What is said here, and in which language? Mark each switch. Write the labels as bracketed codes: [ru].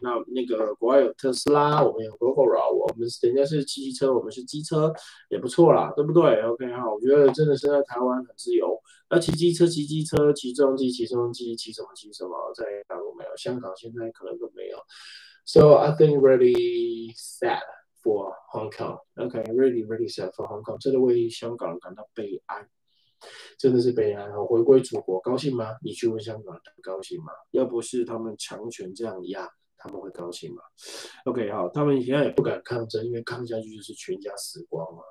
[zh] 那那个国外有特斯拉，我们有 Gogoro， 我们人家是汽车，我们是机车，也不错啦，对不对 ？OK， 好，我觉得真的是在台湾很自由。那骑机车，骑机车，骑重机，骑重机，骑什么？骑什么？在大陆没有，香港现在可能都没有。 [en] So I think really sad. For Hong Kong, okay, really, really sad for Hong Kong. [zh] 真的为香港感到悲哀，真的是悲哀。回归祖国，高兴吗？你去问香港，高兴吗？要不是他们强权这样压，他们会高兴吗 ？OK， 好，他们现在也不敢抗争，因为抗下去就是全家死光了。